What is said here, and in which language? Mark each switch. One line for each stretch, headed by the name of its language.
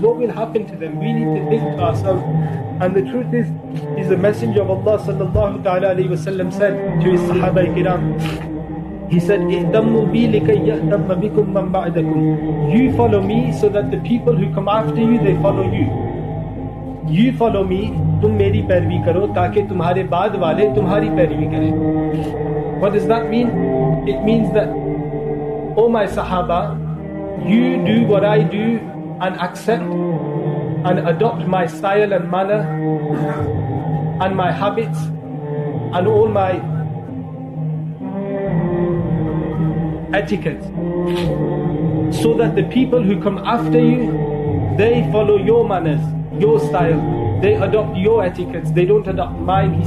English: What will happen to them? We need to think to ourselves. And the truth is the Messenger of Allah sallallahu ta'ala alayhi wa sallam said to his Sahaba kiram, he said,
Arabic: اِهْتَمُّوا بِي لِكَيْ يَهْتَمَّ بِكُمْ مَنْ بَعْدَكُمْ.
English: You follow me so that the people who come after you, they follow you. You follow me,
Urdu: تم میری پیروی کرو تاکہ تمہارے بعد والے تمہاری پیروی کریں.
English: What does that mean? It means that, oh my Sahaba, you do what I do and accept and adopt my style and manner and my habits and all my etiquette, so that the people who come after you, they follow your manners, your style, they adopt your etiquettes, they don't adopt mine.